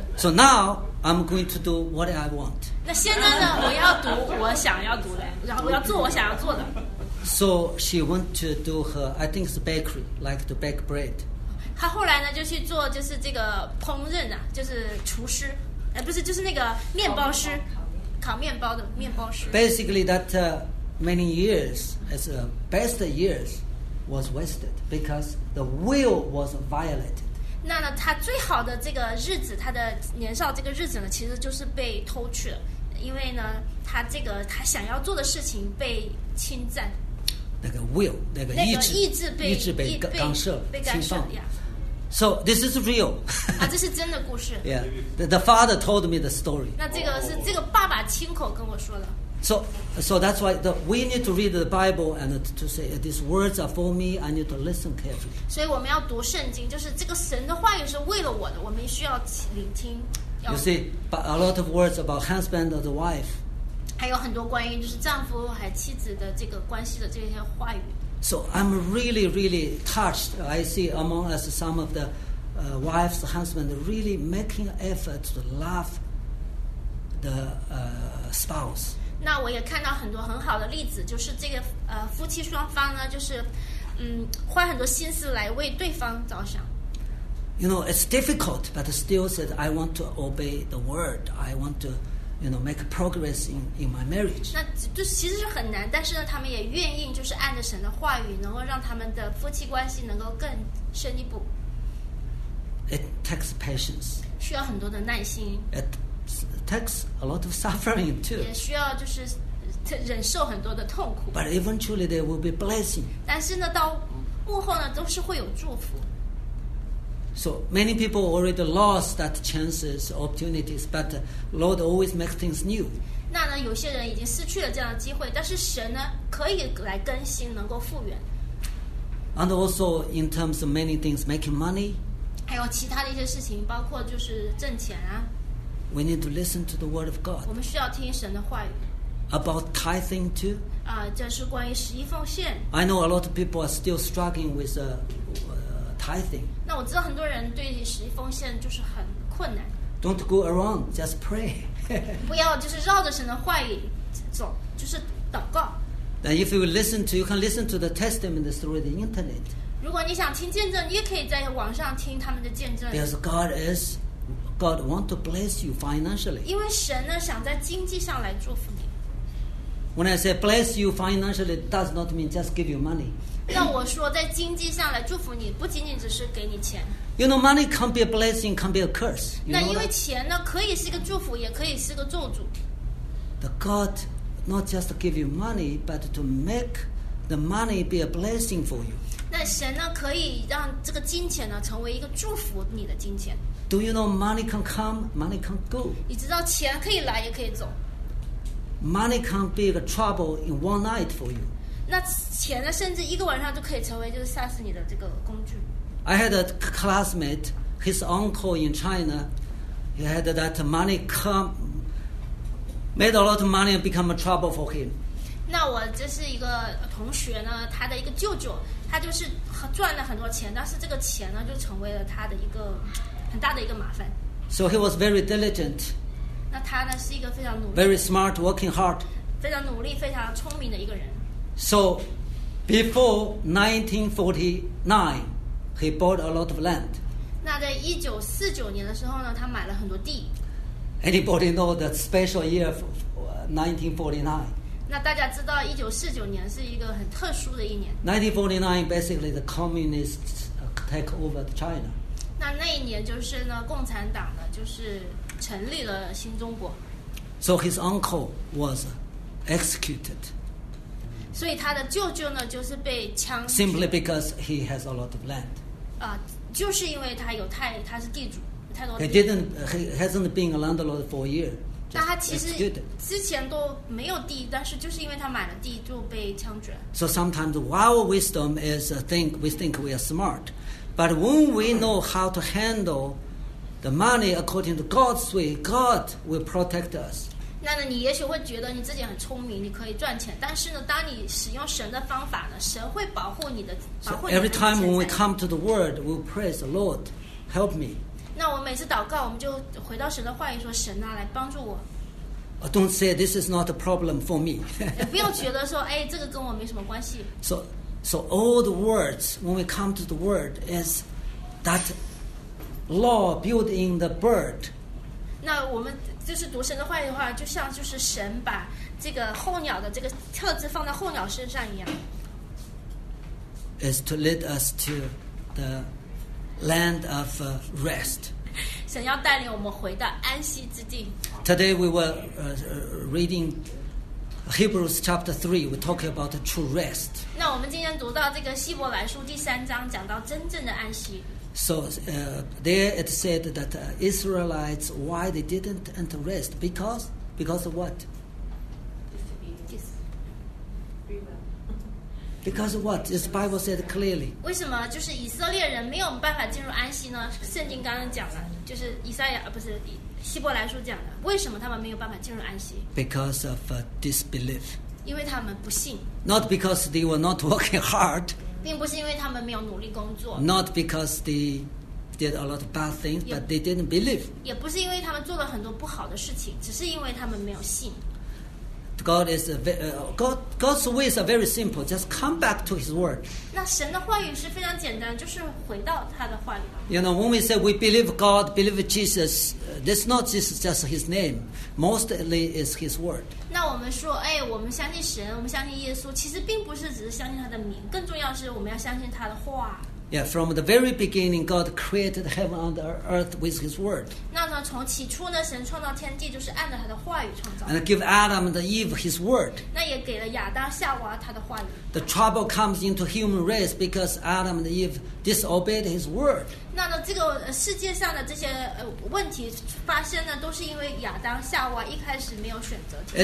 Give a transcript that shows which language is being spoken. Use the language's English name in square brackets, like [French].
[English] So now I'm going to do what I want. [Chinese] 那现在呢？我要读我想要读的，然后我要做我想要做的。 [English] So she went to do her, I think it's bakery, like to bake bread. [Chinese] 她后来呢就去做就是这个烹饪啊，就是厨师，不是就是那个面包师，烤面包的面包师。 [English] Basically, that many years as the best years was wasted because the will was violated. [Chinese] 那呢，她最好的这个日子，她的年少这个日子呢，其实就是被偷去了。因为呢，他这个他想要做的事情被侵占，那个 will 那个意志被干涉侵犯。 [English] So this is real [Chinese] 啊，这是真的故事。 [English] Yeah, the father told me the story. [Chinese] 那这个是这个爸爸亲口跟我说的。 [English] So that's why we need to read the Bible and to say these words are for me. I need to listen carefully. [Chinese] 所以我们要读圣经，就是这个神的话语是为了我的，我们需要聆听。 [English] You see, but a lot of words about husband or the wife. [Chinese] 还有很多关于就是丈夫和妻子的这个关系的这些话语。 [English] So I'm really, really touched. I see among us some of the wives, husbands really making effort to love the spouse. [Chinese] 那我也看到很多很好的例子，就是这个夫妻双方呢，就是花很多心思来为对方着想。 [English] You know, it's difficult, but still said, I want to obey the word. I want to, you know, make progress in my marriage. [Chinese] 那就其实是很难，但是呢，他们也愿意就是按着神的话语，能够让他们的夫妻关系能够更深一步。 [English] It takes patience. [Chinese] 需要很多的耐心。 [English] It takes a lot of suffering too. [Chinese] 也需要就是忍受很多的痛苦。 [English] But eventually there will be blessing. [Chinese] 但是呢，到幕后呢，都是会有祝福。 [English] So many people already lost that chances, opportunities, but the Lord always makes things new. [Chinese] 那呢，有些人已经失去了这样的机会，但是神呢，可以来更新，能够复原。 [English] And also in terms of many things, making money. [Chinese] 还有其他的一些事情，包括就是挣钱啊。 [English] We need to listen to the word of God. [Chinese] 我们需要听神的话语。 [English] About tithing too. [Chinese] 啊，这是关于十一奉献。 [English] I know a lot of people are still struggling with tithing. [Chinese] 那我知道很多人对十一奉献就是很困难。 [English] Don't go around, just pray. [Chinese] 不要就是绕着神的话语走，就是祷告。 [English] Then if you listen to, you can listen to the testimonies through the internet. [Chinese] 如果你想听见证，你也可以在网上听他们的见证。 [English] Because God want to bless you financially. [Chinese] 因为神呢想在经济上来祝福你。 [English] When I say bless you financially, does not mean just give you money. [Chinese] 那我说在经济上来祝福你，不仅仅只是给你钱。 [English] You know, money can be a blessing, can be a curse. [Chinese] 那因为钱呢，可以是个祝福，也可以是个咒诅。 [English] The God not just give you money, but to make the money be a blessing for you. [Chinese] 那神呢，可以让这个金钱呢，成为一个祝福你的金钱。 [English] Do you know money can come, money can go? [Chinese] 你知道钱可以来，也可以走。 [English] Money can be a trouble in one night for you. [Chinese] 那钱呢，甚至一个晚上都可以成为就是杀死你的这个工具。 [English] I had a classmate, his uncle in China, he had that money come, made a lot of money and become a trouble for him. [Chinese] 那我这是一个同学呢，他的一个舅舅，他就是赚了很多钱，但是这个钱呢，就成为了他的一个很大的一个麻烦。 [English] So he was very diligent. [Chinese] 那他呢，是一个非常努力。 [English] Very smart, working hard. [Chinese] 非常努力，非常聪明的一个人。 [English] So before 1949,He bought a lot of land. [Chinese] 那在一九四九年的时候呢，他买了很多地。 [English] Anybody know the special year of 1949? [Chinese] 那大家知道一九四九年是一个很特殊的一年。 [English] 1949 basically the communists take over China. [Chinese] 那一年就是呢，共产党呢就是成立了新中国。 [English] So his uncle was executed. [Chinese] 所以他的舅舅呢，就是被枪决。 [English] Simply because he has a lot of land. [Chinese] 就是因为他有太，他是地主，太多。 [English] He didn't, he hasn't been a landlord for a year. [Chinese] 那他其实之前都没有地，但是就是因为他买了地就被枪决。 [English] So sometimes our wisdom is we think we are smart, but when we know how to handle the money according to God's way, God will protect us. [Chinese] 那呢，你也许会觉得你自己很聪明，你可以赚钱。但是呢，当你使用神的方法呢，神会保护你的，保护你的。 [English] So every time when we come to the Word, we praise the Lord, help me. [Chinese] 那我每次祷告，我们就回到神的话语，说神啊，来帮助我。 [English] Don't say this is not a problem for me. [Chinese] 也不用觉得说，哎，这个跟我没什么关系。 [English] So all the words when we come to the Word is that law built in the bird. [Chinese] 那我们。就是读神的话语的话，就像就是神把这个候鸟的这个特质放在候鸟身上一样。 [English] Is to lead us to the land of rest. [Chinese] 神要带领我们回到安息之地。 [English] Today we were reading Hebrews chapter 3. We talk about the true rest. [Chinese] 那我们今天读到这个希伯来书第三章，讲到真正的安息。 [English] So there it said that Israelites, why they didn't enter rest? Because of what? Because of what? The Bible said clearly. [Chinese] 为什么就是以色列人没有办法进入安息呢？圣经刚刚讲了，就是以赛亚不是希伯来书讲的，为什么他们没有办法进入安息 [English] ？Because of disbelief. [Chinese] 因为他们不信。 [English] Not because they were not working hard. [Chinese] 并不是因为他们没有努力工作。 [English] Not because they did a lot of bad things, but they didn't believe. [Chinese] 也不是因为他们做了很多不好的事情，只是因为他们没有信。 [English] God's ways are very simple. Just come back to His word. [Chinese] 那神的话语是非常简单，就是回到他的话语。 [English] You know, when we say we believe God, believe Jesus, that's not just His name. Mostly is His word. [Chinese] 那我们说，哎，我们相信神，我们相信耶稣，其实并不是只是相信他的名，更重要是我们要相信他的话。 [English] Yeah, from the very beginning, God created heaven and earth with His word. [Chinese] 那呢，从起初呢，神创造天地就是按照他的话语创造。 [English] And give Adam and Eve His word. [Chinese] 那也给了亚当夏娃他的话语。 [English] The trouble comes into human race because Adam and Eve disobeyed His word. [Chinese] 那呢，这个世界上的这些问题发生呢，都是因为亚当夏娃一开始没有选择听。